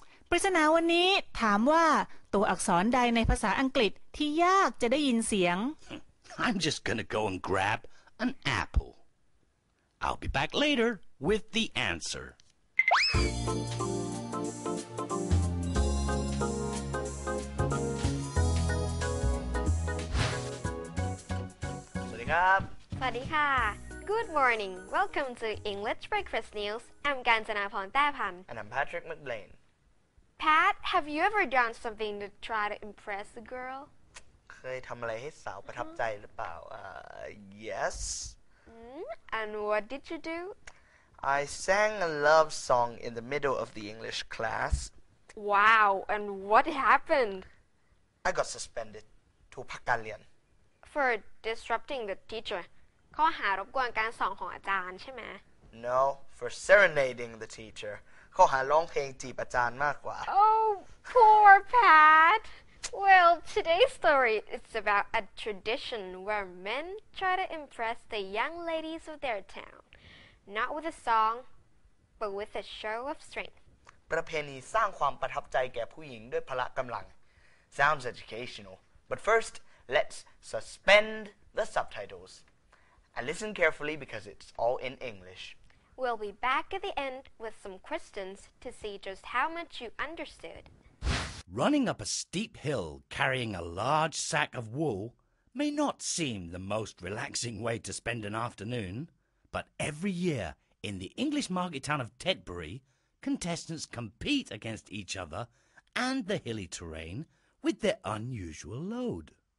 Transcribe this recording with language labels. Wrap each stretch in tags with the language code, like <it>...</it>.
<th>ปริศนาวันนี้ถามว่าตัวอักษรใดในภาษาอังกฤษที่ยากจะได้ยินเสียง</th> <en>I'm just gonna go and grab an apple. I'll be back later with the answer.</en> <th>สวัสดีครับ สวัสดีค่ะ</th> <en>Good morning. Welcome to English Breakfast News. I'm Ganjana Phonthapan. And I'm Patrick McBlain. Pat, have you ever done something to try to impress a girl?</en> <th>เคยทำอะไรให้สาวประทับใจหรือเปล่า</th> <en>Yes. And what did you do? I sang a love song in the middle of the English class. Wow, and what happened? I got suspended.</en> <th>ถูกพักการเรียน</th> <en>For disrupting the teacher.</en> <th>ข้อหารบกวนการสอนของอาจารย์ใช่ไหม</th> <en>No, for serenading the teacher.</en> <th>ข้อหาร้องเพลงจีบอาจารย์มากกว่า</th> <en>Oh, poor Pat. Well, today's story is about a tradition where men try to impress the young ladies of their town, not with a song, but with a show of strength.</en> <th>ประเพณีสร้างความประทับใจแก่ผู้หญิงด้วยพละกำลัง</th> <en>Sounds educational, but first, let's suspend the subtitles and listen carefully because it's all in English. We'll be back at the end with some questions to see just how much you understood. Running up a steep hill carrying a large sack of wool may not seem the most relaxing way to spend an afternoon, but every year in the English market town of Tetbury, contestants compete against each other and the hilly terrain with their unusual load.</en>